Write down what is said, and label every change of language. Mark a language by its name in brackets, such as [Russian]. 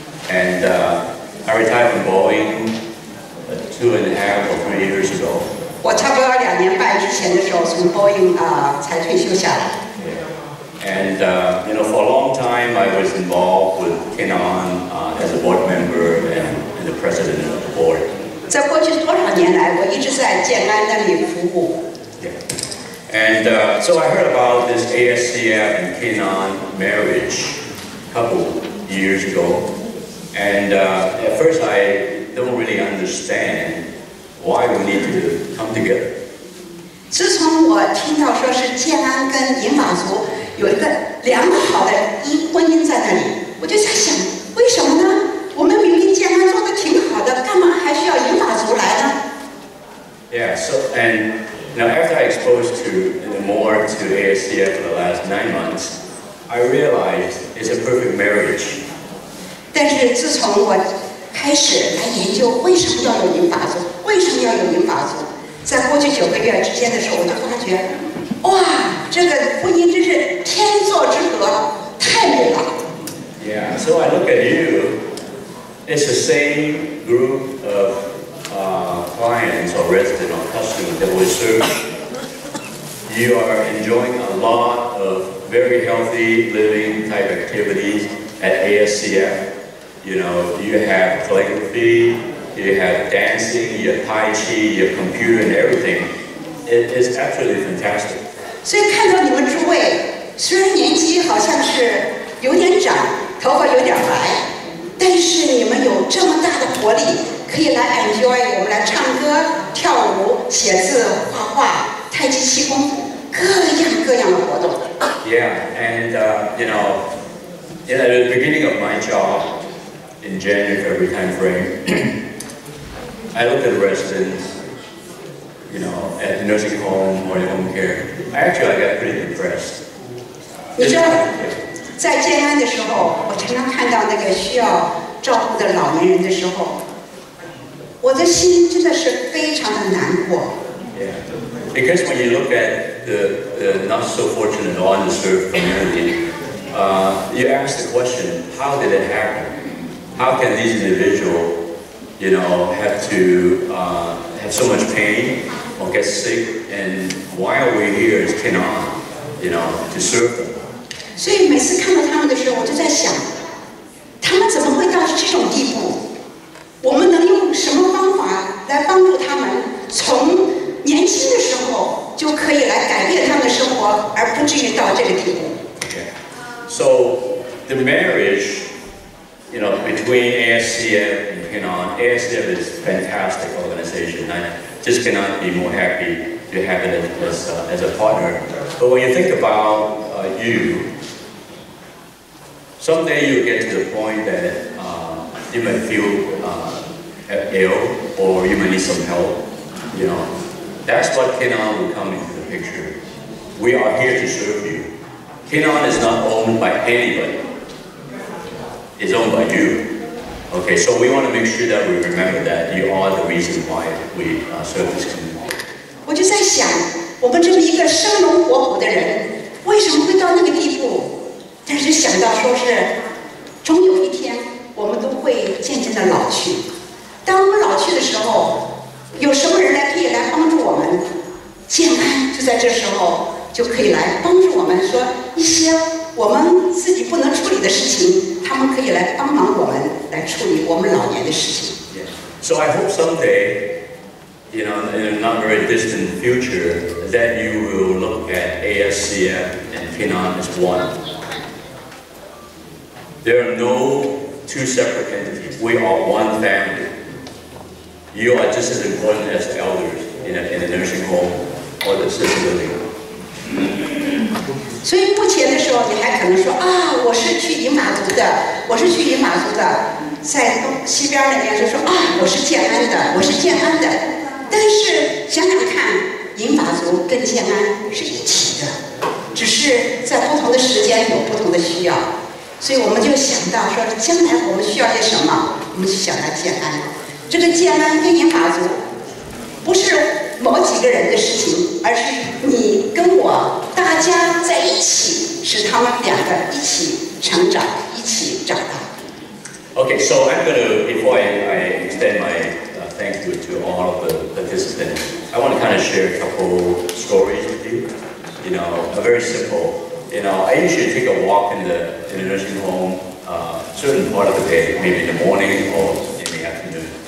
[English] And I retired from Boeing 2.5 or 3 years ago. [Chinese] 我差不多两年半之前的时候从 Boeing 才退休下来。 [English] And you know, for a long time, I was involved with Kinan as a board member and the president of the board. [Chinese] 在过去多少年来，我一直在建安那里服务。 [English] And so I heard about this ASCF and Kinan marriage a couple years ago. And at first I don't really understand why we need to come together. [Chinese] 自从我听到说是建安跟银马族有一个良好的婚姻在那里，我就在想，为什么呢？我们明明建安做得挺好的，干嘛还需要银马族来呢？ [English] Yeah, so and now after I exposed to more to ASCF for the last 9 months, I realized it's a perfect marriage. [Chinese] 但是自从我开始来研究为什么要有银马族，为什么要有银马族，在过去九个月之间的时候，我就发觉，哇，这个婚姻真是天作之合，太美了。 [English] Yeah, so I look at you. It's the same group of clients or residents or customers that we serve. You are enjoying a lot of very healthy living type activities at ASCF. You know, you have calligraphy. You have dancing, you have Tai Chi, you have computer and everything. It is absolutely fantastic. [Chinese] 所以看到你们诸位，虽然年纪好像是有点长，头发有点白，但是你们有这么大的活力，可以来 [English] enjoy [Chinese] 我们来唱歌、跳舞、写字、画画、太极、气功，各样各样的活动。 [English] Yeah, and you know, in the beginning of my job in January time frame. I look at the residents, you know, at nursing home or in home care. Actually, I got pretty impressed. [Chinese] 你知道，在建安的时候，我常常看到那个需要照顾的老年人的时候，我的心真的是非常的难过。 [English] Yeah, because when you look at the not so fortunate or underserved community, you ask the question, how did it happen? How can these individuals? You know, have to have so much pain or get sick, and why are we here is cannot, you know, to serve them. [Chinese] 所以每次看到他们的时候，我就在想，他们怎么会到这种地步？我们能用什么方法来帮助他们？从年轻的时候就可以来改变他们的生活，而不至于到这个地步。 [English] So the marriage. You know, between ASCF and Kenan, ASCF is a fantastic organization. I just cannot be more happy to have it as a partner. But when you think about you, someday you'll get to the point that you might feel ill or you might need some help. You know, that's what Kenan will come into the picture. We are here to serve you. Kenan is not owned by anybody. Is owned by you. Okay, so we want to make sure that we remember that you are the reason why we serve this community. [Chinese] 我就在想，我们这么一个生龙活虎的人，为什么会到那个地步？但是想到说是，终有一天我们都会渐渐的老去。当我们老去的时候，有什么人来可以来帮助我们？建安就在这时候就可以来帮助我们，说一些我们自己不能处理的事情。他们可以来帮忙我们来处理我们老年的事情。 [English] So I hope someday, you know, in a not very distant future, that you will look at ASCF and Kenan as one. There are no two separate entities. We are one family. You are just as important as the elders in a nursing home or the assisted living. [Chinese] 所以目前的时候，你还可能说啊，我是去银马族的，我是去银马族的，在东西边那边就说啊，我是建安的，我是建安的。但是想想看，银马族跟建安是一起的，只是在不同的时间有不同的需要。所以我们就想到说，将来我们需要些什么，我们就想到建安。这个建安跟银马族不是某几个人的事情，而是你跟我。大家在一起，使他们两个一起成长，一起长大。 [English] Okay, so I'm gonna before I extend my thank you to all of the participants, I want to kind of share a couple stories with you. You know, a very simple. You know, I usually take a walk in the nursing home, certain part of the day, maybe in the morning or in the afternoon.